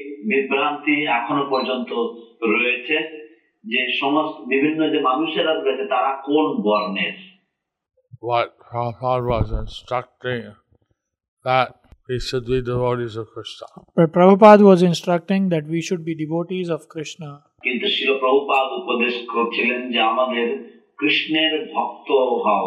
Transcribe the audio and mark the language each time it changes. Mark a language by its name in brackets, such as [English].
[Bangla] বিভ্রান্তি এখনো পর্যন্ত রয়েছে যে সমস্ত বিভিন্ন যে মানুষেরা রয়েছে তারা কোন বর্ণের। [English] What Prabhupada was instructing that we should be devotees of Krishna. But Prabhupada was instructing that we should be devotees of Krishna. [Bangla] কিন্তু শ্রী প্রভুপাদ উপদেশ করছিলেন যে আমাদের কৃষ্ণের ভক্ত হওয়া